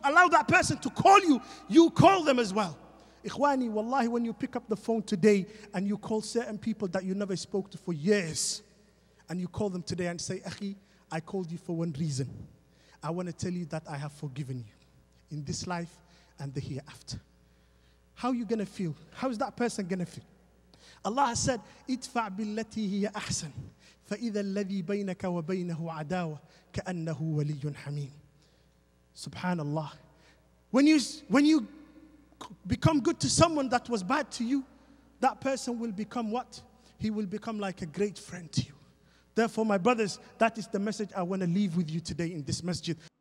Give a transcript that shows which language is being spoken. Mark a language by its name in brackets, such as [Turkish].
[English] Allow that person to call you. You call them as well. Ikhwani, wallahi, when you pick up the phone today and you call certain people that you never spoke to for years, and you call them today and say, Akhi, I called you for one reason. I want to tell you that I have forgiven you in this life and the hereafter. How are you going to feel? How is that person going to feel? Allah has said, [Arabic] Itfa' billati hiya ahsan. فَإِذَا الَّذِي بَيْنَكَ وَبَيْنَهُ عَدَاوَ كَأَنَّهُ وَلِيٌّ حَمِيمٌ SubhanAllah. [English] When you become good to someone that was bad to you, that person will become what? He will become like a great friend to you. Therefore, my brothers, that is the message I want to leave with you today in this masjid.